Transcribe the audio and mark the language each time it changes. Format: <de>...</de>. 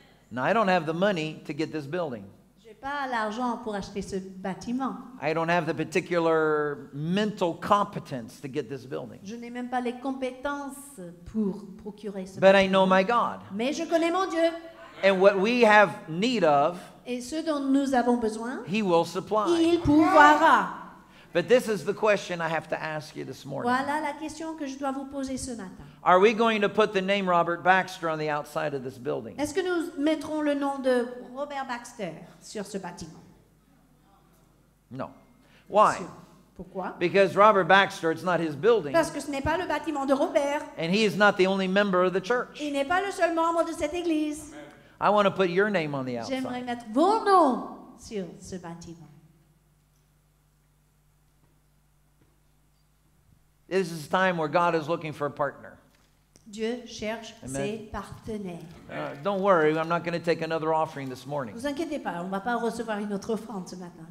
<en>Now, I don't have the money to get this building.</en> <fr>J'ai pas l'argent pour acheter ce bâtiment.</fr> <en>I don't have the particular mental competence to get this building.</en> <fr>Je n'ai même pas les compétences pour procurer ce</fr> <en>But</en> <fr>bâtiment.</fr> <en>I know my God.</en> <fr>Mais je connais mon Dieu.</fr> <en>And what we have need of,</en> <fr>Et ce dont nous avons besoin,</fr> <en>He will supply.</en> <fr>Il pourvoira.</fr> <en>But this is the question I have to ask you this morning.</en> <fr>Voilà la question que je dois vous poser ce matin.</fr> <en>Are we going to put the name Robert Baxter on the outside of this building?</en> <fr>Est-ce que nous mettrons le nom de Robert Baxter sur ce bâtiment?</fr> <en>No. Why?</en> <fr>Pourquoi?</fr> <en>Because Robert Baxter, it's not his building.</en> <fr>Parce que ce n'est pas le bâtiment de Robert.</fr> <en>And he is not the only member of the church.</en> <fr>Il n'est pas le seul membre de cette église.</fr> <en>I want to put your name on the outside.</en> <fr>J'aimerais mettre vos noms sur ce bâtiment.</fr> <en>This is a time where God is looking for a partner.</en> <fr>Dieu cherche Amen. Ses partenaires.</fr> <en>Don't worry, I'm not going to take another offering this morning.</en> <fr>Vous inquiétez pas, on va pas recevoir une autre offrande ce matin.</fr>